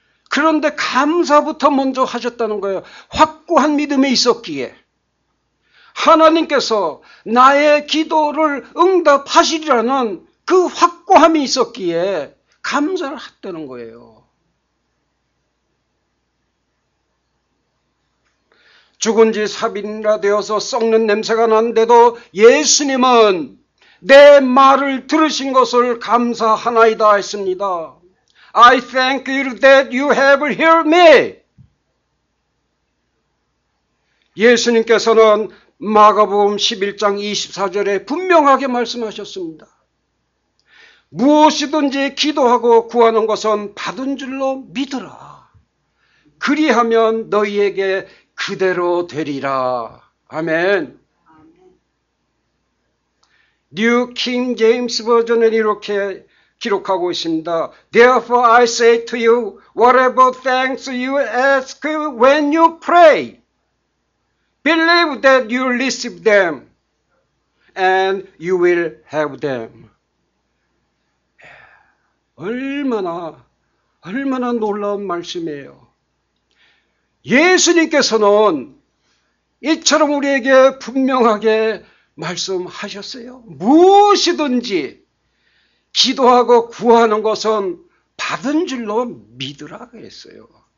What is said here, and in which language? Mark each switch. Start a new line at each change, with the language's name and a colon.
Korean: 그런데 감사부터 먼저 하셨다는 거예요. 확고한 믿음이 있었기에 하나님께서 나의 기도를 응답하시리라는 그 확고함이 있었기에 감사를 했다는 거예요. 죽은 지 3일이나 되어서 썩는 냄새가 나는데도 예수님은 내 말을 들으신 것을 감사하나이다 했습니다.
English: I thank you that you have heard me.
Korean: 예수님께서는 마가복음 11장 24절에 분명하게 말씀하셨습니다. 무엇이든지 기도하고 구하는 것은 받은 줄로 믿어라. 그리하면 너희에게 그대로 되리라. 아멘. 뉴 킹 제임스 버전은 이렇게 기록하고 있습니다.
English: Therefore I say to you, whatever thanks you ask when you pray, believe that you receive them and you will have them.
Korean: 얼마나 놀라운 말씀이에요. 예수님께서는 이처럼 우리에게 분명하게 말씀하셨어요. 무엇이든지 기도하고 구하는 것은 받은 줄로 믿으라고 했어요.